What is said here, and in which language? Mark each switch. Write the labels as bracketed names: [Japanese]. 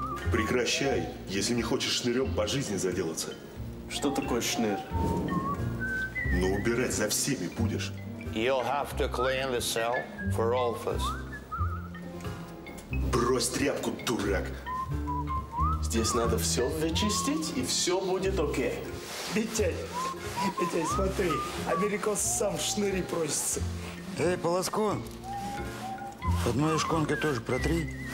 [Russian] Прекращай, если не хочешь шнырем по жизни заделаться. Что такое шныр? Ну, убирать за всеми будешь. [English] You'll have to clean the cell for all of us. [Russian] Брось тряпку, дурак. Здесь надо все вычистить, и все будет окей. Витяй, смотри, Америкос сам в шныри просится. Эй, Полоско, под моей шконкой тоже протри.